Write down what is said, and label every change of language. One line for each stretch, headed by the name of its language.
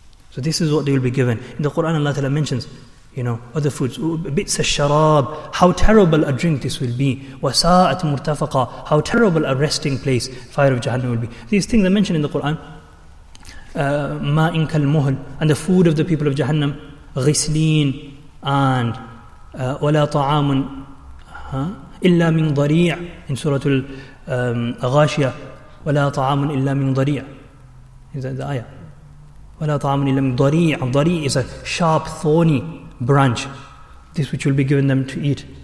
English: So this is what they will be given. In the Quran, Allah Ta'ala mentions, you know, other foods.
Arabic: بِئْسَ الشَّرَابِ.
English: How terrible a drink this will be.
Arabic: وَسَاءَتْ مُرْتَفَقَ.
English: How terrible a resting place fire of Jahannam will be. These things are mentioned in the Quran.
Arabic: مَا إِنْكَ الْمُهْلِ.
English: And the food of the people of Jahannam.
Arabic: غِسْلِين. And وَلَا طَعَامٌ إِلَّا مِنْ ضَرِيعٍ.
English: In Surah Al-Ghashiyah.
Arabic: وَلَا طَعَامٌ إِلَّا مِنْ ضَرِيعٍ.
English: Is that the ayah?
Arabic: وَلَا طَعَامٌ إِلَّا مِنْ ضَرِيعٍ.
English: ضَرِيعٍ is a sharp, thorny branch. This which will be given them to eat.